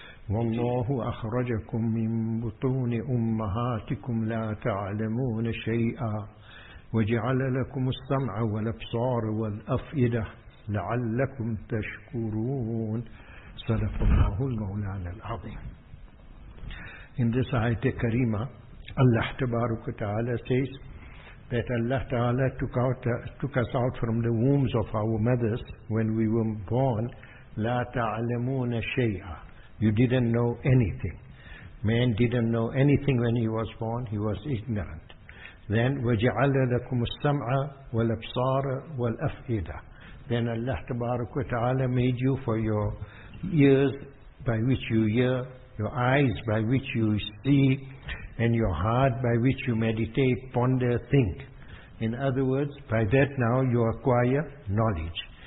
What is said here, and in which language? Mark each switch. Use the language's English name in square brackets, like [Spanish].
[Arabic] والله أخرجكم من بطون أمهاتكم لا تعلمون شيئا وجعل لكم السمع والأبصار والأفئدة لعلكم تشكرون. صدق الله المولانا العظيم. [English] In this ayat kareema, Allah tabaruk wa ta'ala says that Allah ta'ala took us out from the wombs of our mothers when we were born. [Arabic] لا تعلمون شيئا. [English] You didn't know anything. Man didn't know anything when he was born. He was ignorant. Then [Arabic] وَجَعَلَ لَكُمُ السَّمْعَ وَالْأَبْصَارَ وَالْأَفْئِدَةَ. [English] Then Allah Tabaraka wa Ta'ala made you for your ears by which you hear, your eyes by which you see, and your heart by which you meditate, ponder, think. In other words, by that now you acquire knowledge.